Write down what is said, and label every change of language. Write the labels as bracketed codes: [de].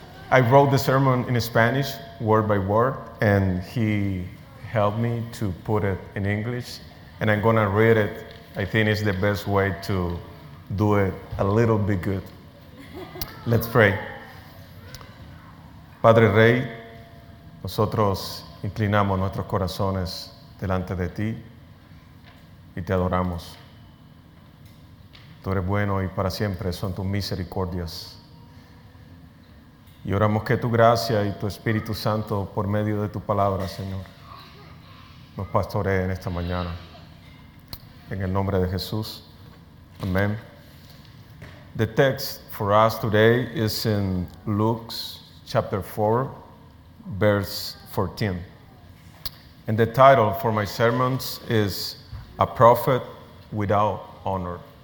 [en] I wrote the sermon in Spanish, word by word, and he helped me to put it in English, and I'm going to read it. I think it's the best way to do it a little bit good. Let's pray. [es] Padre Rey, nosotros inclinamos nuestros corazones delante de ti y te adoramos. Tú eres bueno y para siempre son tus misericordias. Y oramos que tu gracia y tu Espíritu Santo por medio de tu palabra, Señor, nos pastoree en esta mañana. En el nombre de Jesús. Amén. [en] The text for us today is in Luke chapter 4, verse 14. And the title for my sermons is A Prophet Without Honor.